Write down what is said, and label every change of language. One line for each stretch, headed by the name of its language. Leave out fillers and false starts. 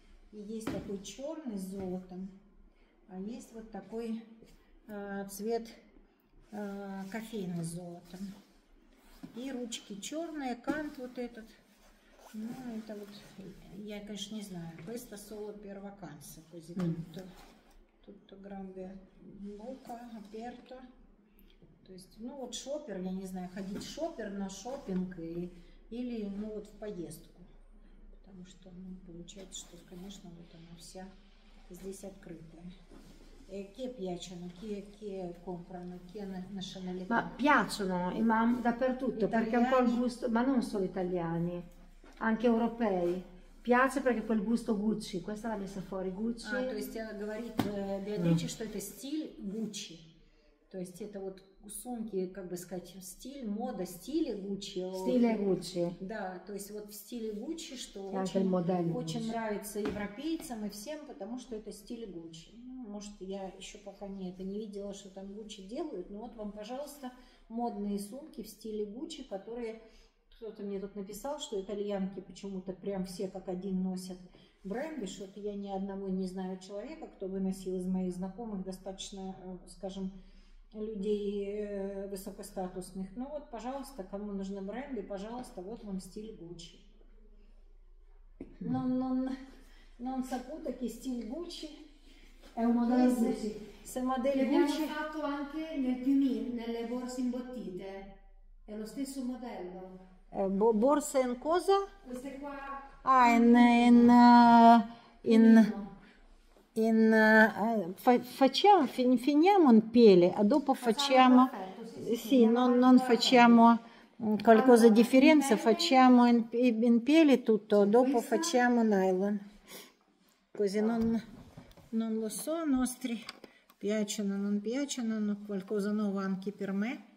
Russian: И есть такой черный с золотом, а есть вот такой цвет кофейный с золотом. И ручки черные, кант вот этот. Ну, это вот, я, конечно, не знаю.
Italian: Questa solo per vacanza, così tutto grande bocca aperta.
Russian: То есть, ну вот шопер, я не знаю, ходить шопер на шопинг или ну вот в поездку. Потому что ну, получается, что, конечно, вот она вся здесь открытая.
Italian: E che piacciono, che comprano, che nazionalità. Ma piacciono, ma dappertutto, italiani. Perché è un po' il gusto, ma non solo italiani, anche europei. Piace perché quel gusto Gucci, questa l'ha messa fuori Gucci.
Russian: Ah, то есть она говорит, Beatrice, что это стиль Gucci. То есть это вот сумки, как бы сказать, стиль, мода, стиль Гуччи. Стиль Гуччи. Да, то есть вот в стиле Гуччи, что очень нравится европейцам и всем, потому что это стиль Гуччи. Ну, может, я еще пока не видела, что там Гуччи делают, но вот вам, пожалуйста, модные сумки в стиле Гуччи, которые кто-то мне тут написал, что итальянки почему-то прям все как один носят бренды, что-то я ни одного не знаю человека, кто бы носил из моих знакомых достаточно, скажем, людей высокостатусных. Ну вот, пожалуйста, кому нужны бренды, пожалуйста, вот вам стиль Гуччи.
Italian: Non saputo che стиль Гуччи è un modello Gucci. Se modelli Gucci. Hanno fatto anche nel piumino, nelle borse imbottite. È lo stesso modello. Borse in cosa? Queste qua. Ah, in facciamo finiamo un pelle e dopo facciamo sì non facciamo qualcosa di differenza facciamo in pelle tutto dopo facciamo nylon così non lo so nostri piacciono non qualcosa nuovo anche per me